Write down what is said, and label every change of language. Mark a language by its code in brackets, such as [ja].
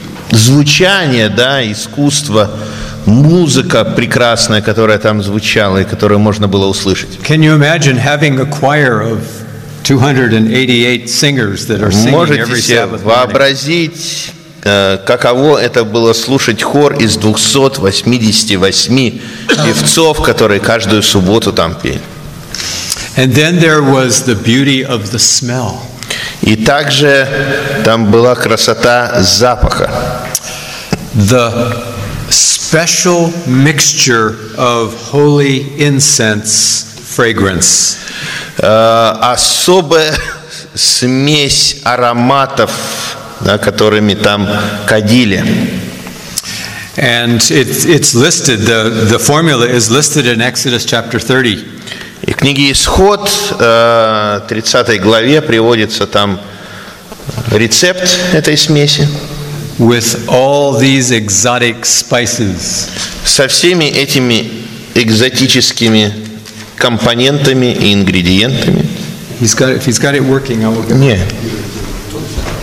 [ru] Звучание, да, искусство, музыка прекрасная, которая там звучала и которую можно было услышать. [en] Can you imagine having a choir of 288 singers that are singing every Sabbath morning? [ru] Можете себе вообразить, каково это было слушать хор из 288 певцов, которые каждую субботу там пели? [en] And then there was the beauty of the smell. [ru] И также там была красота запаха. [en] The special mixture of holy incense fragrance. [ru] Особая смесь ароматов, да, которыми там кадили. [en] And it's listed, the formula is listed in Exodus chapter 30. [ru] И в книге Исход, 30 главе, приводится там рецепт этой смеси. [en] With all these exotic spices. [ru] Со всеми этими экзотическими компонентами и ингредиентами. [en] He's got it working, I will get it. Yeah.